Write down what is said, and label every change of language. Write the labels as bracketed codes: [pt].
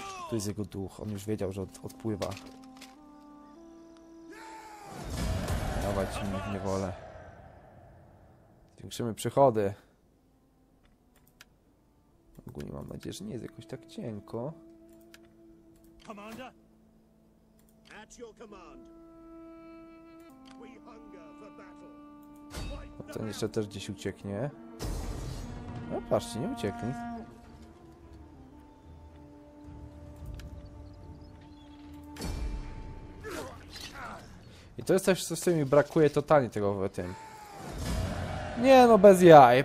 [pl] To jest jego duch, on już wiedział, że odpływa. Dawać im niewolę. Zwiększymy przychody. Ogólnie mam nadzieję, że nie jest jakoś tak cienko. [en] Commander, at your command. We hunger for battle. [pl] No ten jeszcze też gdzieś ucieknie. No patrzcie, nie ucieknie. I to jest coś, co mi brakuje totalnie tego w tym. Nie no, bez jaj.